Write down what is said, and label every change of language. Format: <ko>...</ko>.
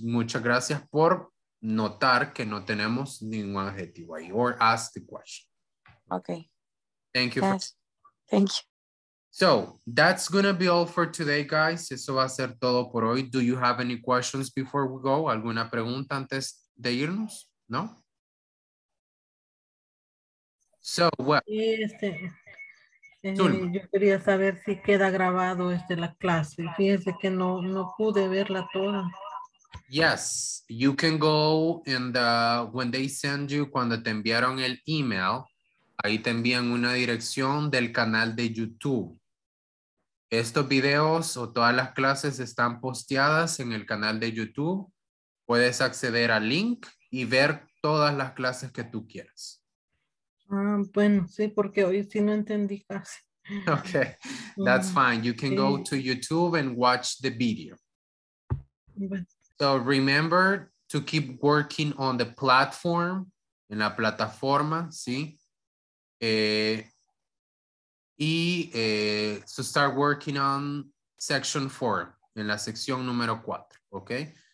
<es>Muchas gracias por notar que no tenemos ningún adjetivo ahí.</es> <en>Or ask the question. Okay. Thank you. Thank you. So that's going to be all for today, guys.</en> <es>Eso va a ser todo por hoy.</es> <en>Do you have any questions before we go? ¿Alguna pregunta antes de irnos? ¿No? So, well.</en> <es>Yo quería saber si queda grabado la clase. Fíjense que no pude verla toda.</es> <en>Yes, you can go in the, when they send you,</en> <es>cuando te enviaron el email, ahí te envían una dirección del canal de YouTube. Estos videos o todas las clases están posteadas en el canal de YouTube. Puedes acceder al link y ver todas las clases que tú quieras. Bueno, sí, porque hoy sí no entendí casi.</es> <en>Okay, that's fine. You can go to YouTube and watch the video. So remember to keep working on the platform,</en> <es>en la plataforma, ¿sí?</es> <en>So start working on section 4,</en> <es>en la sección número 4,</es> <en>okay?</en>